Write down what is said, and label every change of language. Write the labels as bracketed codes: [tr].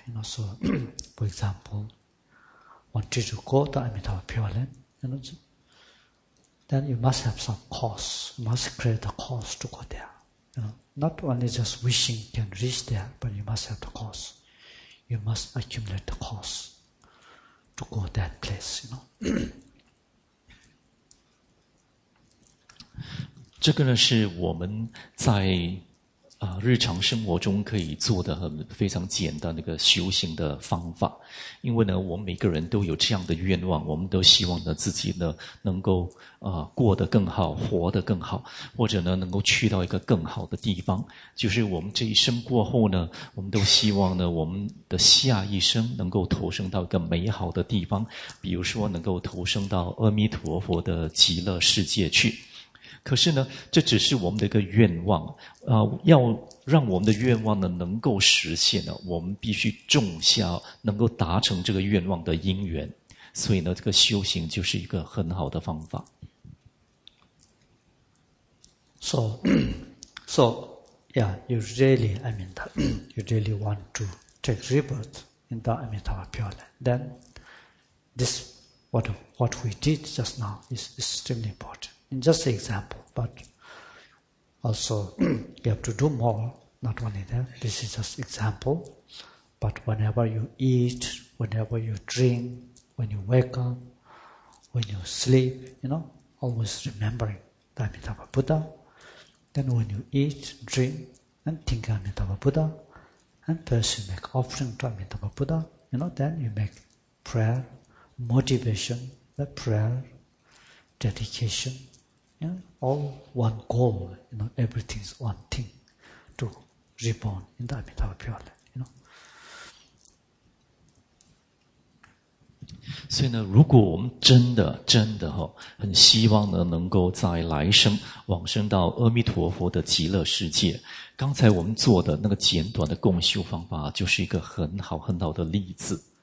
[en] You know, so for example, want you to go to Amitabha Pure Land, you know, then you must have some cause, you must create a cause to go there. You know, not only just wishing can reach there, but you must have the cause. You must accumulate the cause to go that place, you know. [zh] 这个呢是我们在日常生活中可以做的很非常简单的一个修行的方法。因为呢我们每个人都有这样的愿望，我们都希望呢自己呢能够过得更好，活得更好，或者呢能够去到一个更好的地方。就是我们这一生过后呢，我们都希望呢我们的下一生能够投生到一个美好的地方，比如说能够投生到阿弥陀佛的极乐世界去。可是呢，这只是我们的一个愿望，要让我们的愿望呢能够实现呢，我们必须种下能够达成这个愿望的因缘，所以呢，这个修行就是一个很好的方法。 [en] So, yeah, you really want to take rebirth in the Amitabha Pure Land, then this what we did just now is extremely important. In just an example, but also you have to do more, not only that. This is just an example. But whenever you eat, whenever you drink, when you wake up, when you sleep, you know, always remembering the Amitabha Buddha. Then when you eat, drink, and think of Amitabha Buddha, and first you make offering to Amitabha Buddha, you know, then you make prayer, motivation, the prayer, dedication,Yeah, all one goal, you know, everything is one thing to reborn in the Amitabha Pure Land, you know. [zh] 所以呢，如果我们真的哈，很希望呢，能够在来生往生到阿弥陀佛的极乐世界，刚才我们做的那个简短的共修方法，就是一个很好很好的例子。